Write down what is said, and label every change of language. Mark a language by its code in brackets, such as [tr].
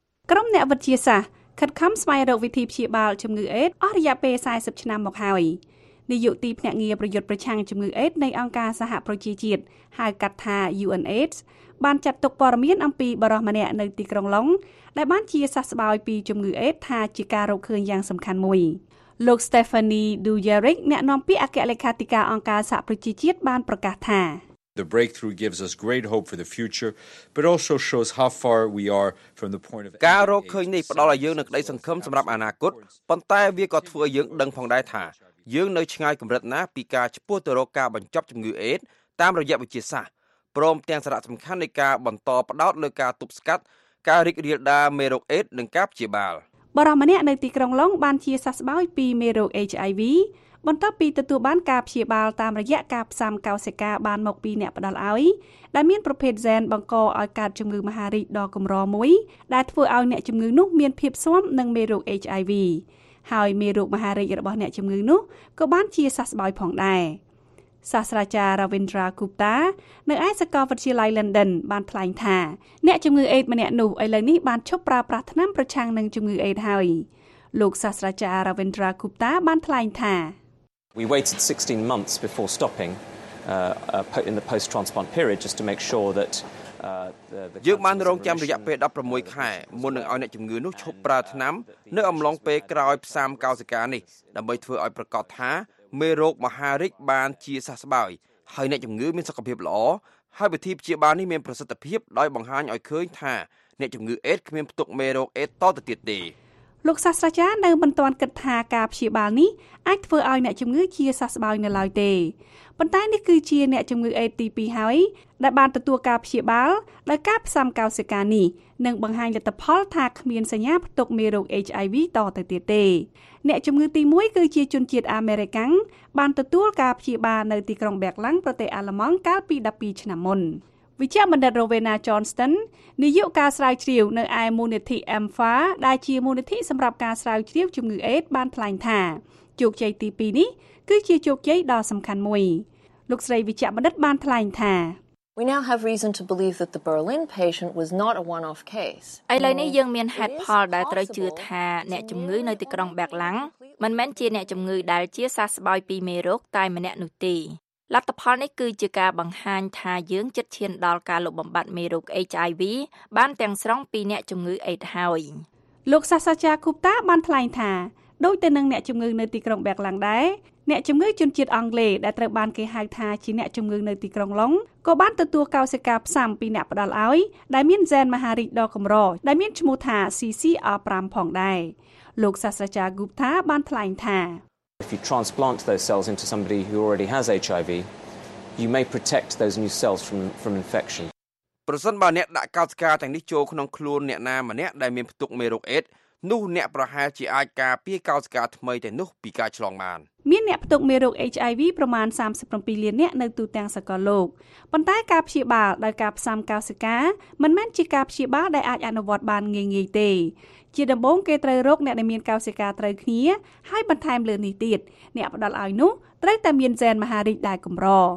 [km] ក្រុមអ្នកវិទ្យាសាស្ត្រខិតខំស្វែងរកវិធីព្យាបាលជំងឺអេដអស់រយៈពេល40ឆ្នាំមកហើយនាយកទីភ្នាក់ងារប្រយុទ្ធប្រឆាំងជំងឺអេដនៃអង្គការសហប្រជាជាតិហៅកាត់ថា UNAIDS បានចាត់ទុកព័ត៌មានអំពីបរិសុទ្ធម្នាក់នៅទីក្រុងឡុងដែលបានជាសះស្បើយពីជំងឺអេដថាជាការរកឃើញយ៉ាងសំខាន់មួយលោក Stephanie Dujarric អ្នកនាំពាក្យអគ្គលេខាធិការអង្គការសហប្រជាជាតិបានប្រកាសថា [en] The breakthrough gives us great hope for the future but also shows how far we are from the point of [km] ការរកឃើញនេះផ្ដល់ឲ្យយើងនូវក្តីសង្ឃឹមសម្រាប់អនាគតប៉ុន្តែវាក៏ធ្វើឲ្យយើងដឹងផងដែរថាយើងនៅឆ្ងាយកម្រិតណាពីការឈពោះទៅរកការបញ្ចប់ជំងឺអេដតាមរយៈវិទ្យាសាស្ត្រព្រមទាំងសារៈសំខាន់នៃការបន្តផ្ដោតលើការទប់ស្កាត់ការរីករាលដាលមេរោគអេដនិងការព្យាបាល បរិមាណនៅទីក្រុងឡុងបានជាសះស្បើយពីមេរោគ HIVបន្ទាប់ពីទទួលបានការព្យាបាលតាមរយៈការផ្សាំកោសិកាបានមកពីអ្នកផ្ដល់ឲ្យដែលមានប្រភេទហ្សែនបង្កឲ្យកើតជំងឺមហារីកដ៏កម្រមួយដែលធ្វើឲ្យអ្នកជំងឺនោះមានភាពស្វាមនឹងមេរោគ HIV ហើយមេរោគមហារីករបស់អ្នកជំងឺនោះក៏បានជាសះស្បើយផងដែរ សាស្ត្រាចារ្យ Ravindra Gupta នៅឯសាកលវិទ្យាល័យ London បានថ្លែងថាអ្នកជំងឺអេដម្នាក់នោះឥឡូវនេះបានឈប់ប្រើប្រាស់ថ្នាំប្រឆាំងនឹងជំងឺអេដហើយលោកសាស្ត្រាចារ្យ Ravindra Gupta បានថ្លែងថា [en] We waited 16 months before stopping in the post-transplant period just to make sure that [km] យើងបានរងចាំរយៈពេល16ខែមុននឹងឲ្យអ្នកជំងឺនោះឈប់ប្រើថ្នាំនៅអំឡុងពេលក្រោយផ្សាំកោសិកានេះដើម្បីធ្វើឲ្យប្រកាសថាមេរោគមហារីកបានជាសះស្បើយហើយអ្នកជំងឺមានសុខភាពល្អហើយវិធីព្យាបាលនេះមានប្រសិទ្ធភាពដោយបង្ហាញឲ្យឃើញថាអ្នកជំងឺអេដគ្មានផ្ទុកមេរោគអេដតទៅទៀតទេ លោកសាស្ត្រាចារ្យនៅមិនទាន់គិតថាការព្យាបាលនេះអាចធ្វើឲ្យអ្នកជំងឺជាសះស្បើយនៅឡើយទេប៉ុន្តែនេះគឺជាអ្នកជំងឺអេដទី2ហើយដែលបានទទួលការព្យាបាលដោយការផ្សាំកោសិកានេះនិងបង្ហាញលទ្ធផលថាគ្មានសញ្ញាផ្ទុកមេរោគ HIV តទៅទៀតទេ អ្នកជំងឺទី1គឺជាជនជាតិអាមេរិកាំងបានទទួលការព្យាបាលនៅទីក្រុងបែកឡាំងប្រទេសអាល្លឺម៉ង់កាលពី12ឆ្នាំមុនវិជ្ជាបណ្ឌិត Rowena Johnston នាយកការស្រាវជ្រាវនៅឯមូលនិធិ MFA ដែលជាមូលនិធិសម្រាប់ការស្រាវជ្រាវជំងឺអេដបានថ្លែងថាជោគជ័យទី2នេះគឺជាជោគជ័យដ៏សំខាន់មួយលោកស្រីវិជ្ជាបណ្ឌិតបានថ្លែងថា [en] We now have reason to believe that the Berlin patient was not a one-off case [km] ឥឡូវនេះយើងមានហេតុផលដែលត្រូវជឿថាអ្នកជំងឺនៅទីក្រុងបែកឡាំងមិនមែនជាអ្នកជំងឺដែលជាសះស្បើយពីមេរោគតែម្នាក់នោះទេលទ្ធផលនេះគឺជាការបង្ហាញថាយើងជិតឈានដល់ការលុបបំបាត់មេរោគ HIV បានទាំងស្រុងពីអ្នកជំងឺអេដហើយ លោកសាស្ត្រាចារ្យគូបតាបានថ្លែងថាដូចទៅនឹងអ្នកជំងឺនៅទីក្រុងបែកឡាំងដែរអ្នកជំងឺជនជាតិអង់គ្លេសដែលត្រូវបានគេហៅថាជាអ្នកជំងឺនៅទីក្រុងឡុងក៏បានទទួលកោសិកាផ្សាំពីអ្នកផ្ដល់ឲ្យដែលមានហ្សែនមហារីកដ៏កម្រដែលមានឈ្មោះថា CCR5 ផងដែរលោកសាស្ត្រាចារ្យគូបតាបានថ្លែងថា [en] If you transplant those cells into somebody who already has HIV, you may protect those new cells from infection. [km] ប្រសិនបើអ្នកដាក់កោសិកាទាំងនេះចូលក្នុងខ្លួនអ្នកណាម្នាក់ដែលមានផ្ទុកមេរោគអេដនោះអ្នកប្រហែលជាអាចការពារកោសិកាថ្មីទាំងនោះពីការឆ្លងបាន មានអ្នកផ្ទុកមេរោគ HIV ប្រមាណ37លាននាក់នៅទូទាំងសកលលោកប៉ុន្តែការព្យាបាលដោយការផ្សាំកោសិកាមិនមែនជាការព្យាបាលដែលអាចអនុវត្តបានងាយៗទេជាដំបូងគេត្រូវរកអ្នកដែលមានកោសិកាត្រូវគ្នាហើយបន្ថែមលើនេះទៀតអ្នកផ្ដល់ឲ្យនោះត្រូវតែមានហ្សែនមហារីកដែលកម្រ